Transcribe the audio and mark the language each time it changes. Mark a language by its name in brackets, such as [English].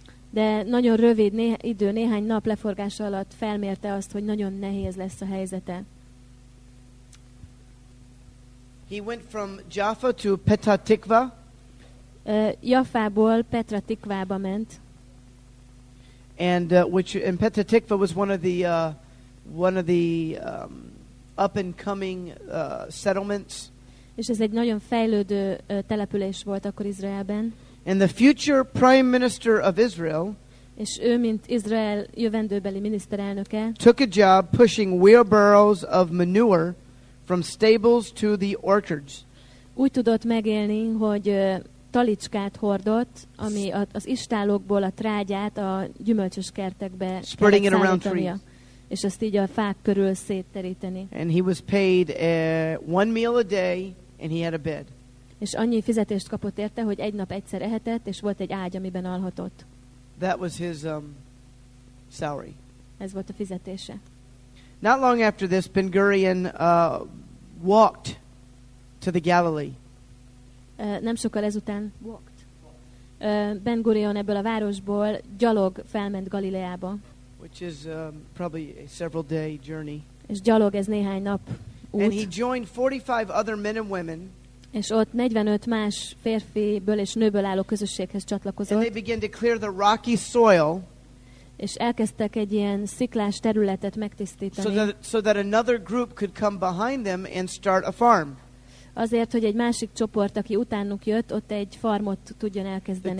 [Hungarian] De nagyon rövid idő, néhány nap leforgása alatt felmérte azt, hogy nagyon nehéz lesz a helyzete. [English] He went from Jaffa to Petah Tikva. [Hungarian] Jaffából Petra Tikvába ment. [English] And which Petah Tikva was one of the up and coming settlements. [Hungarian] És ez egy nagyon fejlődő település volt akkor Izraelben. [English] And the future prime minister of Israel. [Hungarian] És ő mint Izrael jövendőbeli miniszterelnöke. [English] Took a job pushing wheelbarrows of manure from stables to the orchards. [Hungarian] Úgy tudott megélni, hogy talicskát hordott, ami az istálókból a trágyát a gyümölcsös kertekbe [English] spreading it around trees. [Hungarian] És azt így a fák körül szétteríteni. [English] And he was paid one meal a day and he had a bed. [Hungarian] És annyi fizetést kapott érte, hogy egy nap egyszer ehetett és volt egy ágy, amiben alhatott. [English] That was his salary. [Hungarian] Ez volt a fizetése. [English] Not long after this, Ben-Gurion walked to the Galilee. [Hungarian] Nem sokkal ezután walked. Ben-Gurion ebből a városból gyalog felment Galileába. [English] Which is probably a several day journey. [Hungarian] És gyalog ez néhány nap út. [English] And he joined 45 other men and women. [Hungarian] És ott 45 más férfiből és nőből álló közösséghez csatlakozott. [English] And they began to clear the rocky soil. [Hungarian] És elkezdtek egy ilyen sziklás területet megtisztítani. [English] So that another group could come behind them and start a farm. [Hungarian] azért, hogy egy másik csoport, aki utánuk jött, ott egy farmot tudjon elkezdeni.